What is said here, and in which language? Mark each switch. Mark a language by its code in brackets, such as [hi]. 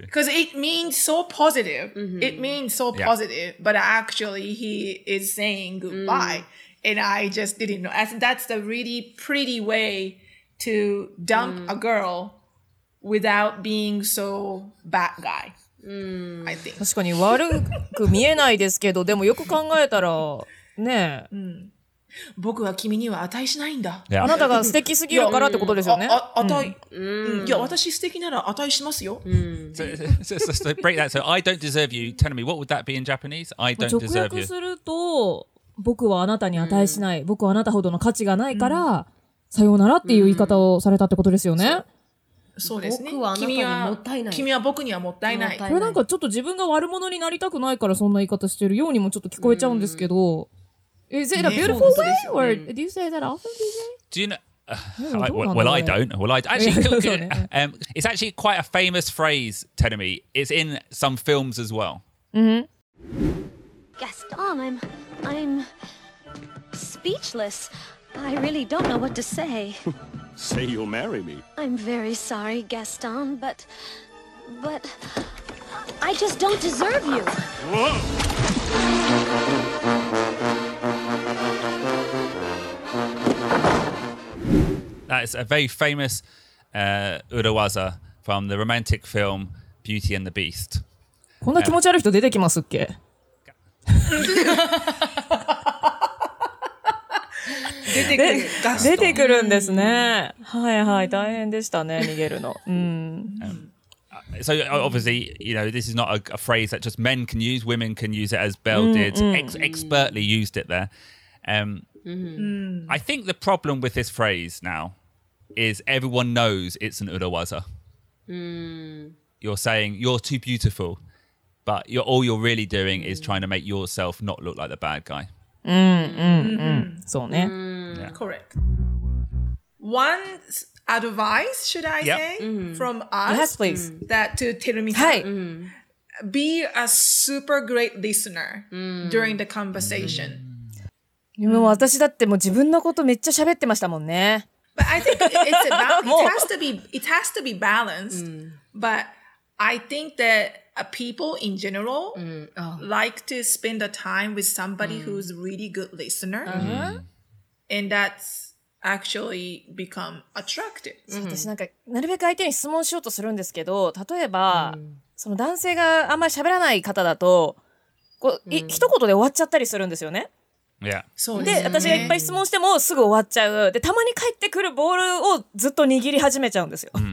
[en] Because it means so positive. Mm-hmm. It means so positive. Yeah. But actually, he is saying goodbye. Mm. And I just didn't know. That's the really pretty way to dump a girl without being so bad guy. Mm. I think. [ja] 確かに悪く見えないですけど、でもよく考えたら、ねえ。うん僕は君には値しないんだ。 [en] Yeah. [ja] あなたが素敵すぎるからってことですよね。値、うん、いや私素敵なら値しますよ。うん、 [en] so break that. So I don't deserve you. Tell me what would that be in Japanese? I don't deserve you. [ja] 直訳すると僕はあなたに値しない。僕はあなたほどの価値がないから、さようならっていう言い方をされたってことですよね。そうですね。僕はあなたにもったいない。君は僕にはもったいない。これなんかちょっと自分が悪者になりたくないからそんな言い方してるようにもちょっと聞こえちゃうんですけど。 [en] Is it a beautiful way, or do you say that often, DJ? Do you know? Well, I don't. It's actually quite a famous phrase, Tenomi. It's in some films as well. Mm-hmm. Gaston, I'm speechless. I really don't know what to say. Say you'll marry me. I'm very sorry, Gaston, but I just don't deserve you. That's a very famous urawaza from the romantic film Beauty and the Beast. [ja] こんな気持ち悪い人出てきますっけ? [en] Gaston. [ja] 出てくるんですね。はいはい、大変でしたね、逃げるの。 [en] So obviously, you know, this is not a phrase that just men can use. Women can use it as Belle did. Expertly used it there. I think the problem with this phrase now. Is everyone knows it's an urawaza. You're saying you're too beautiful, but all you're really doing is trying to make yourself not look like the bad guy. [ja] そうね。 [en] Correct. One advice, should I say, from us? Yes, please. That to Terumi-san. [ja] はい。 [en] Be a super great listener during the conversation. [ja] でも私だってもう自分のことめっちゃ喋ってましたもんね。 [en] But I think it's about, it has to be balanced. But I think that people in general like to spend the time with somebody who's really good listener. And that's actually become attractive. [ja] 私なんかなるべく相手に質問しようとするんですけど、例えば、その男性があんまり喋らない方だと、こう、一言で終わっちゃったりするんですよね。 [en] Yeah. [ja] で、私がいっぱい質問してもすぐ終わっちゃう。で、たまに帰ってくるボールをずっと握り始めちゃうんですよ。